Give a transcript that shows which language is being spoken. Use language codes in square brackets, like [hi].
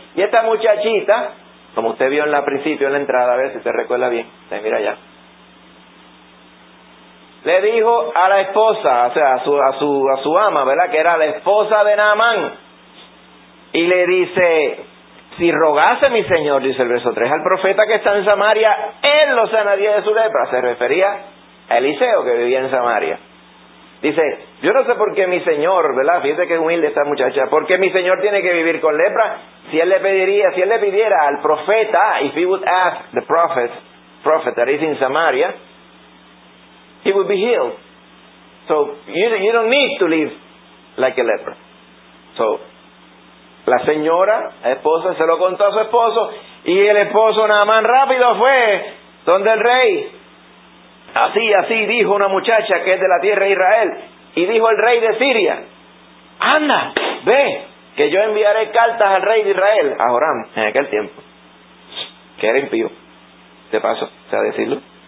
[es] Y esta muchachita, como usted vio en la principio, en la entrada, a ver si usted recuerda bien, usted mira allá, le dijo a la esposa, o sea, a su ama, ¿verdad?, que era la esposa de Naamán, y le dice, si rogase mi señor, dice el verso 3, al profeta que está en Samaria, él lo sanaría de su lepra. Se refería a Eliseo, que vivía en Samaria. Dice, yo no sé por qué mi señor, ¿verdad?, fíjese que humilde esta muchacha, ¿por qué mi señor tiene que vivir con lepra? Si él le pidiera al profeta, [en] if he would ask the prophet that is in Samaria, he would be healed. So, you don't need to live like a leper. [es] So, la señora, la esposa, se lo contó a su esposo, y el esposo Naamán rápido fue donde el rey. Así dijo una muchacha que es de la tierra de Israel, y dijo el rey de Siria, anda, ve, que yo enviaré cartas al rey de Israel, a Joram, en aquel tiempo, que era impío, de paso, o sea, decirlo.